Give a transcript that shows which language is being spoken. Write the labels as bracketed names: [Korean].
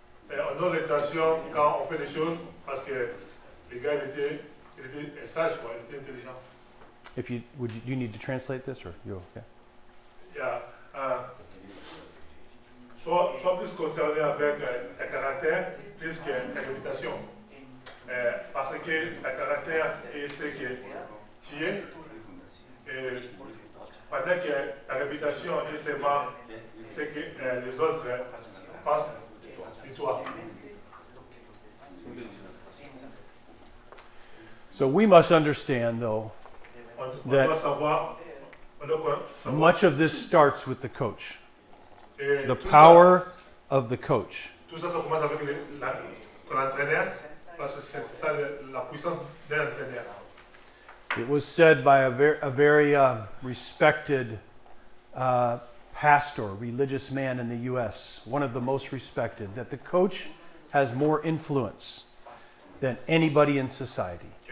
[French] On donne attention quand on fait des choses, parce que le gars il était sage, quoi, il était intelligent. [English] If you would, you need to translate this, or you okay? Yeah. [French] Sois plus concerné avec ta caractère plus que ta réputation. Parce que ta caractère est ce que tu es. Pendant que ta réputation est seulement ce que les autres pensent de toi. [English] So we must understand, though, that much of this starts with the coach. The power of the coach. It was said by a very respected pastor, religious man in the U.S., one of the most respected, that the coach has more influence than anybody in society.